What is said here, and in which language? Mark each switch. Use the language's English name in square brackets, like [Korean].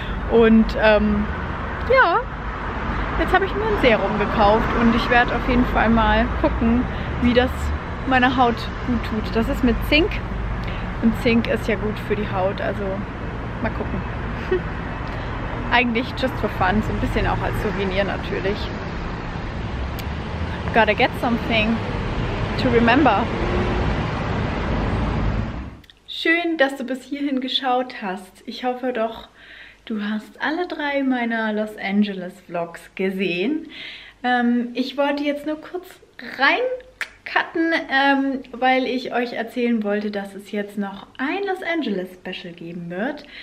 [German] Und ja, jetzt habe ich mir ein Serum gekauft und ich werde auf jeden Fall mal gucken, wie das meiner Haut gut tut. Das ist mit Zink. Und Zink ist ja gut für die Haut, also mal gucken. Eigentlich [English] just for fun, [German] so ein bisschen auch als Souvenir natürlich. [English] Gotta get something to remember. [German] Schön, dass du bis hierhin geschaut hast. Ich hoffe doch, du hast alle drei meiner Los Angeles Vlogs gesehen. Ich wollte jetzt nur kurz rein cutten, weil ich euch erzählen wollte, dass es jetzt noch ein Los Angeles Special geben wird.